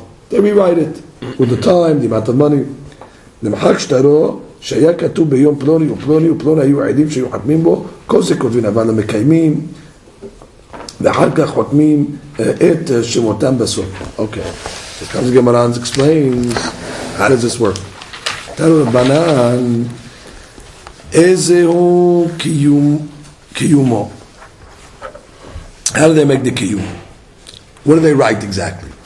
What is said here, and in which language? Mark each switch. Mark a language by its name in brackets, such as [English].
[English] They rewrite it with the time, the amount of money. [Hebrew] נמחק שטרו שהיה כתוב ביום פלוני ופלוני ופלוני היו עדים שהיו חתמים בו כל זה כותבים אבל המקיימים ואחר כך חותמים את שמותם בסוף. אוקיי, אז כמה זה גמרא [English] explains how does this work. [Hebrew] תראו לבנן איזהו קיומו, [English] how do they make the קיום, what do they write exactly.